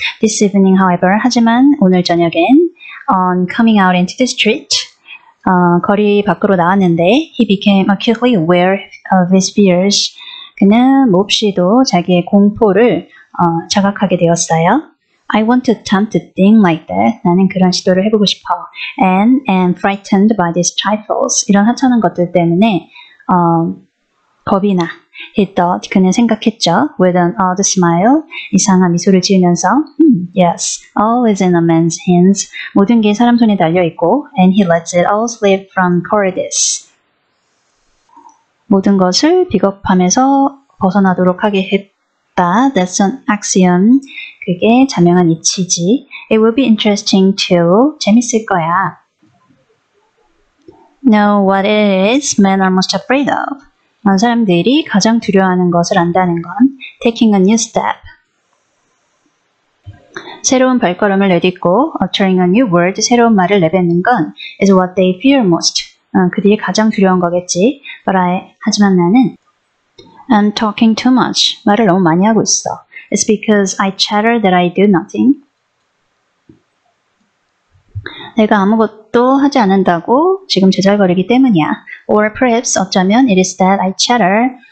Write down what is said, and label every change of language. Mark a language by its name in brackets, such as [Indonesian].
[English] This evening, however, [Korean] 하지만 오늘 저녁엔 [English] On coming out into the street, [Korean] 거리 밖으로 나왔는데 [English] He became acutely aware of his fears. [Korean] 그는 몹시도 자기의 공포를 자각하게 되었어요. [English] I want to attempt a thing like that. [Korean] 나는 그런 시도를 해보고 싶어. [English] And am frightened by these trifles. [Korean] 이런 하찮은 것들 때문에 겁이나. [English] He thought, [Korean] 그는 생각했죠. [English] With an odd smile, [Korean] 이상한 미소를 지으면서 [English] Yes, all is in a man's hands. [Korean] 모든 게 사람 손에 달려있고 [English] And he lets it all slip from cowardice. [Korean] 모든 것을 비겁함에서 벗어나도록 하게 했다. [English] That's an axiom. [Korean] 그게 자명한 이치지. [English] It will be interesting too. [Korean] 재밌을 거야. [English] Know what it is men are most afraid of. [Korean] 많은 사람들이 가장 두려워하는 것을 안다는 건 [English] taking a new step. [Korean] 새로운 발걸음을 내딛고 [English] uttering a new word, [Korean] 새로운 말을 내뱉는 건 [English] is what they fear most. [Korean] 그들이 가장 두려운 거겠지. [English] But I, [Korean] 하지만 나는 [English] I'm talking too much. [Korean] 말을 너무 많이 하고 있어. [English] It's because I chatter that I do nothing. [Korean] 내가 아무것도 하지 않는다고 지금 재잘거리기 때문이야. [English] Or perhaps [Korean] 어쩌면 [English] it is that I chatter.